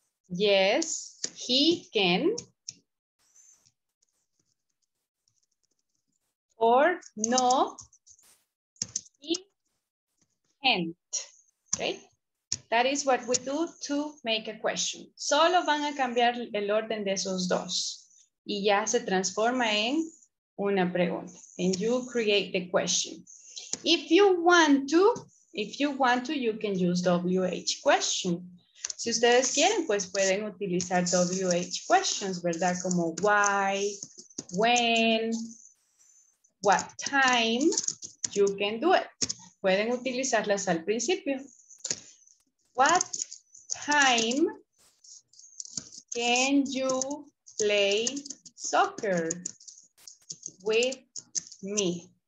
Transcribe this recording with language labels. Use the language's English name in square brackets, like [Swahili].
[English] Yes, he can. Or no. And, okay, that is what we do to make a question. [Spanish] Solo van a cambiar el orden de esos dos y ya se transforma en una pregunta. [English] And you create the question. If you want to, you can use WH question. [Spanish] Si ustedes quieren, pues pueden utilizar WH questions, ¿verdad? [English] Como why, when, what time, you can do it. [Spanish] Pueden utilizarlas al principio. [English] What time can you play soccer with me?